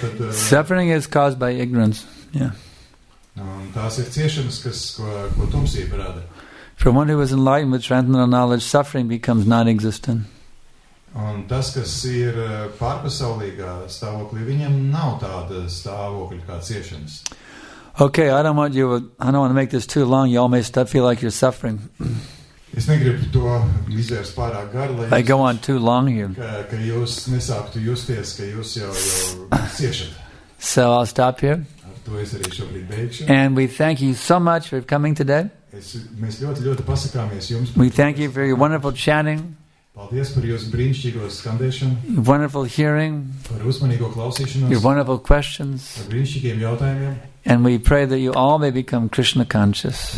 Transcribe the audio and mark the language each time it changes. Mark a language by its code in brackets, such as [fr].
[en] suffering is caused by ignorance. Yeah. [lv] Tās ir ciešanas, ko tumsība rada. [en] For one who is enlightened with transcendental knowledge, suffering becomes non-existent. [lv] Un tas, kas ir pārpasaulīgā stāvoklī, viņam nav tāda stāvokļa kā ciešanas. [en] Okay, I don't want to make this too long. You all may still feel like you're suffering. [lv] Es negribu to izvērst pārāk garu, lai [en] I go on too long here. [lv] Ka jūs nesāktu justies, ka jūs jau ciešat. [en] So I'll stop here. [lv] To es arī šobrīd beigšu. [en] And we thank you so much for coming today. [lv] Mēs ļoti, ļoti pasakāmies jums. [en] We thank you for your wonderful chanting. [lv] Paldies par jūsu brīnišķīgo skandēšanu. [en] Wonderful hearing. [lv] Par uzmanīgo klausīšanos. [en] Your wonderful questions. [lv] Par brīnišķīgiem jautājumiem. [en] And we pray that you all may become Krishna conscious.